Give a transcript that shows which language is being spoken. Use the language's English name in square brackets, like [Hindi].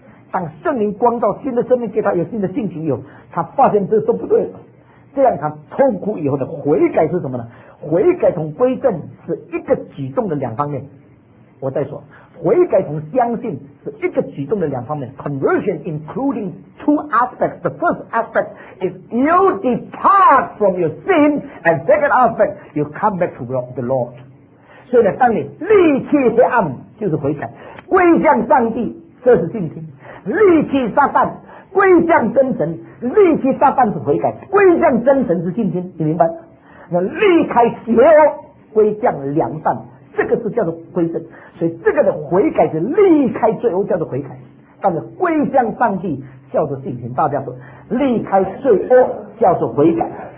[Chinese] 当圣灵光照新的生命给他，有新的性情以后，他发现这都不对了，这样他痛苦以后的悔改是什么呢？悔改同归正是一个举动的两方面。我再说，悔改同相信是一个举动的两方面。 [English] Conversion including two aspects. The first aspect is you depart from your sin, and second aspect you come back to the Lord. [Chinese] 所以呢，当你离弃黑暗，就是悔改；归向上帝，这是信心；离弃撒旦，归向真神；离弃撒旦是悔改，归向真神是信心。你明白？那离开邪恶，归向良善。这个是叫做归正，所以这个的悔改是离开罪恶叫做悔改，但是归向上帝叫做信心。大家说，离开罪恶叫做悔改，